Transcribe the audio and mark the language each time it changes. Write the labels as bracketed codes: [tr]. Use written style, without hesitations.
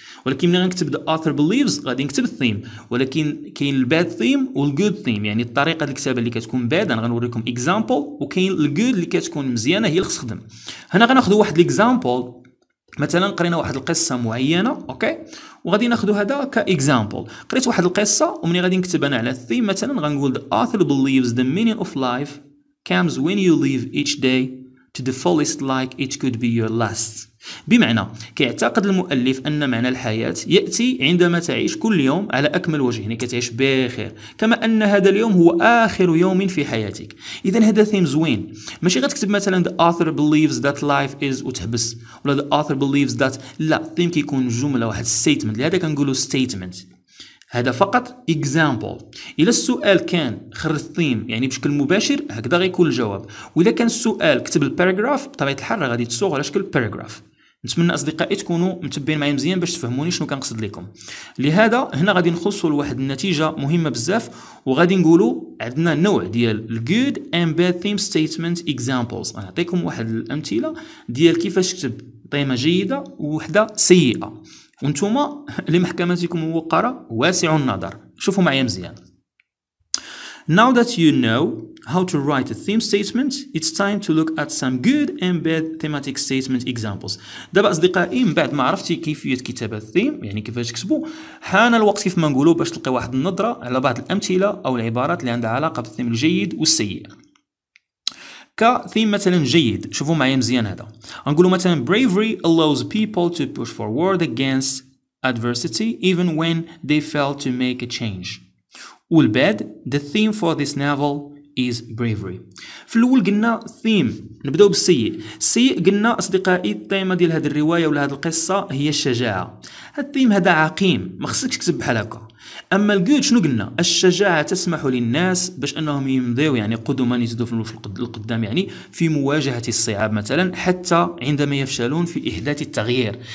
[ar] ولكن ملي غنكتب [en] the author believes [ar] غادي نكتب الثيم، ولكن كاين الباد ثيم والجود ثيم، يعني الطريقه الكتابه اللي كتكون باد انا غنوريكم اكزامبل، وكاين الجود اللي كتكون مزيانه هي اللي خصخدم. هنا غناخذ واحد الاكزامبل، مثلا قرينا واحد القصه معينه اوكي، وغادي ناخذ هذا كاكزامبل. قريت واحد القصه ومني غادي نكتب انا على الثيم مثلا غنقول [en] the author believes the meaning of life comes when you live each day to the fullest like it could be your last. [ar] بمعنى كيعتقد المؤلف ان معنى الحياه ياتي عندما تعيش كل يوم على اكمل وجه، يعني كتعيش بخير، كما ان هذا اليوم هو اخر يوم في حياتك. اذا هذا ثيم زوين، ماشي غتكتب مثلا [en] the author believes that life is [ar] وتحبس، ولا [en] the author believes that، [ar] لا الثيم كيكون جمله واحد ستيتمنت، لهذا كنقولوا ستيتمنت. هذا فقط اكزامبل. الى السؤال كان خرج الثيم يعني بشكل مباشر هكذا غيكون الجواب، واذا كان السؤال كتب الباراجراف بطبيعه الحال غادي تصوغ على شكل باراجراف. نتمنى اصدقائي تكونوا متبعين معايا مزيان باش تفهموني شنو كنقصد لكم. لهذا هنا غادي نخصوا لواحد النتيجه مهمه بزاف، وغادي نقولوا عندنا نوع ديال الجود اند باد ثيم ستيتمنت اكزامبلز. غنعطيكم واحد الامثله ديال كيفاش تكتب قيمه جيده وواحده سيئه، وانتوما لمحكمتكم الموقره واسع النظر. شوفوا معايا مزيان. [en] Now that you know how to write a theme statement, it's time to look at some good and bad thematic statement examples. [ar] دابا اصدقائي من بعد ما عرفتي كيفيه كتابه الثيم يعني كيفاش تكتبوا، حان الوقت كيف ما نقولوا باش تلقي واحد النظره على بعض الامثله او العبارات اللي عندها علاقه بالثيم الجيد والسيء. كثيم مثلا جيد، شوفوا معايا مزيان هذا، غنقولوا مثلا [en] bravery allows people to push forward against adversity even when they fail to make a change. والباد the theme for this novel is bravery. [ar] في الاول قلنا ثيم، نبداو بالسيء. السيء قلنا اصدقائي الثيمه ديال هذه الروايه ولا هذه القصه هي الشجاعه، الثيم هذا عقيم ما خصكش تكتب بحال هكا. اما الجود شنو قلنا؟ الشجاعه تسمح للناس باش انهم يمضيو يعني قدما يتدفنوا في القدام يعني في مواجهه الصعاب مثلا حتى عندما يفشلون في احداث التغيير.